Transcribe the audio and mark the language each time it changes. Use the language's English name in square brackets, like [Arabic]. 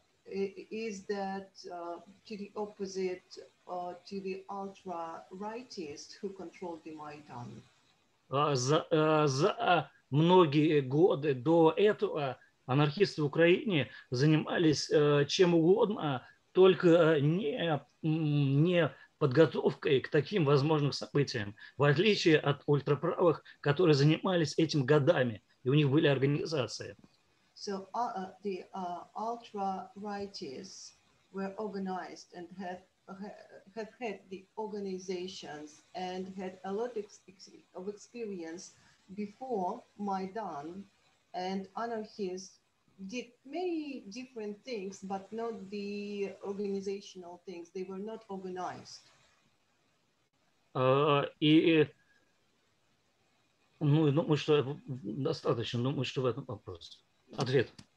[English] Is that to the opposite to the ultra-rightists who controlled the Maidan? [Russian] За многие годы до этого анархисты в Украине занимались чем угодно, только не подготовкой к таким возможным событиям, в отличие от ультраправых, которые занимались этим годами, и у них были организации. [English] So the ultra-righteous were organized and have had the organizations and had a lot of experience before Maidan, and anarchists did many different things, but not the organizational things. They were not organized. [Russian] Ну, я думаю, что достаточно. Думаю, что в этом вопросе. Ответ.